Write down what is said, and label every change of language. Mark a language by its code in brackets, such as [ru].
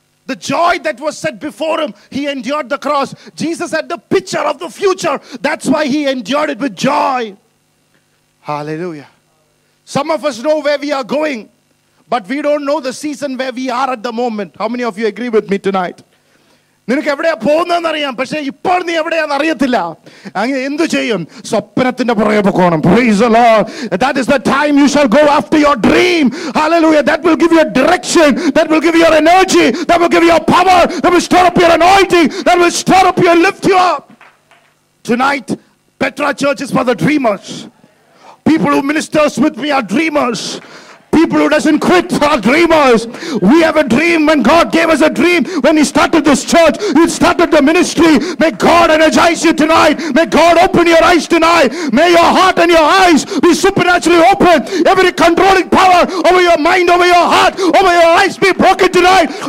[en] The joy that was set before him, he endured the cross. Jesus had the picture of the future. That's why he endured it with joy. Hallelujah. Some of us know where we are going, but we don't know the season where we are at the moment. How many of you agree with me tonight? [ml] നിനക്ക് എവിടെയാ പോകുന്നതെന്ന് അറിയാം, പക്ഷേ ഇപ്പോൾ നീ എവിടെയാന്ന് അറിയത്തില്ല. അങ്ങനെ എന്തു ചെയ്യും? സ്വപ്നത്തിന്റെ പുറകെ പോകണം. [en] Praise the Lord. That is the time you shall go after your dream. Hallelujah. That will give you a direction, that will give you your energy, that will give you your power, that will store up your anointing, that will store up your lift you up. Tonight Petra church is for the dreamers. People who ministers with me are dreamers. People who doesn't quit are dreamers. We have a dream. When God gave us a dream, when he started this church, he started the ministry. May God energize you tonight. May God open your eyes tonight. May your heart and your eyes be supernaturally open. Every controlling power over your mind, over your heart, over your eyes be broken tonight.